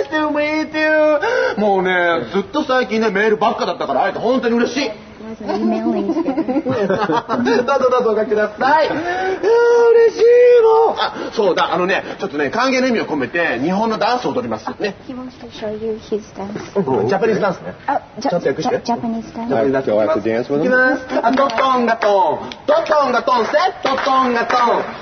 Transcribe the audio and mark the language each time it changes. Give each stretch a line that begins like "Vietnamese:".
Japanese: もうね、ずっと最近ね、メールばっかだったから、あえて本当に嬉しい。どうぞどうぞおかけください。いや、嬉しいもん。あ、そうだ、あのね、ちょっとね、歓迎の意味を込めて、日本のダンスを踊りますね。
English: He wants to show you his dance.
Japanese: ジャパニーズダンスね。ちょっと訳して。
English: Japanese dance.
Japanese: ドトンガトン。ドトンガトン、セットトンガトン。